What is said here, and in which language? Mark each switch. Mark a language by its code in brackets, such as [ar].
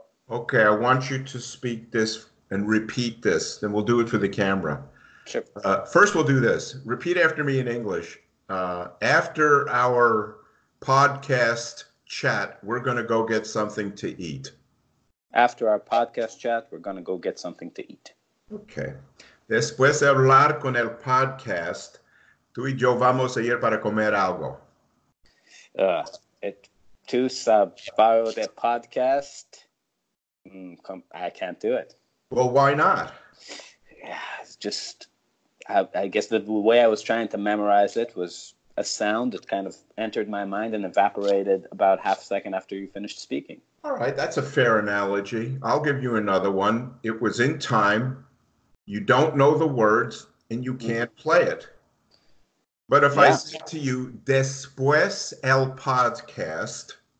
[en] Okay, I want you to speak this and repeat this, then we'll do it for the camera. Sure. First we'll do this, repeat after me in English. After our podcast chat, we're gonna go get something to eat. After our podcast chat, we're gonna go get something to eat. Okay. [es] Después de hablar con el podcast, tú y yo vamos a ir para comer algo. Tú sabes, para de podcast, [en] I can't do it. Well, why not? Yeah, it's just, I guess the way I was trying to memorize it was a sound that kind of entered my mind and evaporated about half a second after you finished speaking. All right, that's a fair analogy. I'll give you another one. It was in time. You don't know the words, and you can't play it. But if I say to you, [es] después el podcast.